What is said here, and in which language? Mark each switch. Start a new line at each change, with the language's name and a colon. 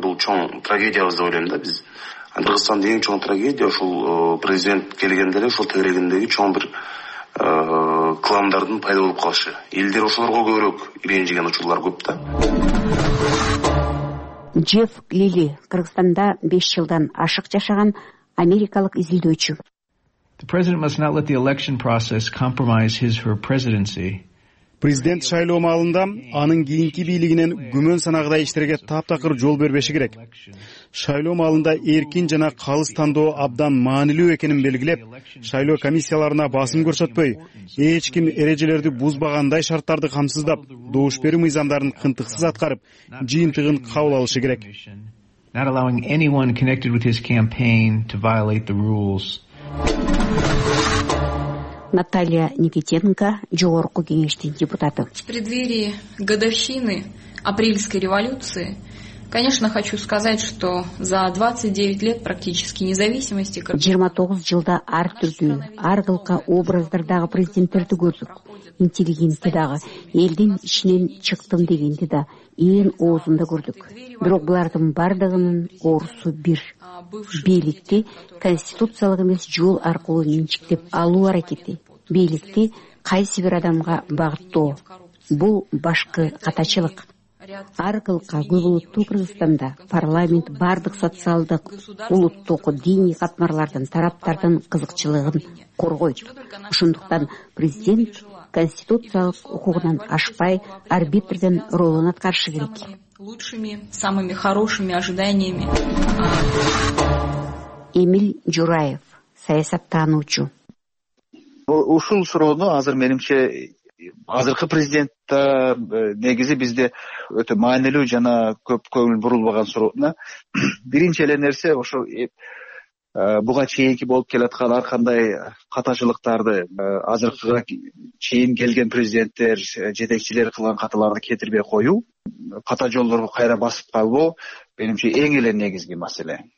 Kyrgyz: Бул чоң трагедиябыз деп ойлойм да биз. Кыргызстанда эң чоң трагедия ушул президент келгенде эле ушул тегерегиндеги чоң бир кламдардын пайда болуп калышы. Элдер ошолорго көбүрөөк ренжиген учурлар көп да. Джефф Лили, Кыргызстанда 5 жылдан ашык жашаган америкалык изилдөөчү.
English: The president must not let the election process compromise his or her presidency.
Kyrgyz: Президент шайлоо маалында анын кийинки бийлигинен күмөн санагыдай иштерге таптакыр жол бербеши керек. Шайлоо маалында эркин жана калыс тандоо абдан маанилүү экенин белгилеп, шайлоо комиссияларына басым көрсөтпөй, эч ким эрежелерди бузбагандай шарттарды камсыздап, добуш берүү мыйзамдарын кынтыксыз аткарып, жыйынтыгын кабыл алышы керек.
English: Not allowing anyone connected with his campaign to violate the rules.
Kyrgyz: Наталья Никитенко, жогорку кеңештин депутаты.
Russian: В преддверии годовщины апрельской революции, конечно, хочу сказать, что за 29 лет практически независимости
Kyrgyz: 29 жылда ар түрдүү, ар кылка образдардагы президенттерди көрдүк. Интеллигенти дагы, элдин ичинен чыктым дегенди да ээн оозунда көрдүк. Бирок булардын бардыгынын оорусу бир. Бийликти конституциялык эмес жол аркылуу менчиктеп алуу аракети. Бийликти кайсы бир адамга багыттоо. Бул башкы катачылык. Ар кылка көп улуттуу Кыргызстанда парламент бардык социалдык, улуттук, диний катмарлардын, тараптардын кызыкчылыгын коргойт. Ошондуктан президент конституциялык укугунан ашпай арбитрдин ролун аткарышы керек.
Russian: Лучшими, самыми хорошими ожиданиями.
Kyrgyz: Эмиль Жураев, саясаттануучу. Ушул суроону азыр менимче азыркы президент да негизи бизде өтө маанилүү жана көп көңүл бурулбаган суроо. Биринчи эле нерсе ошо буга чейинки болуп келаткан ар кандай катачылыктарды азыркыга чейин келген президенттер, жетекчилер кылган каталарды кетирбей коюу, ката жолдорго кайра басып калбоо менимче эң эле негизги маселе.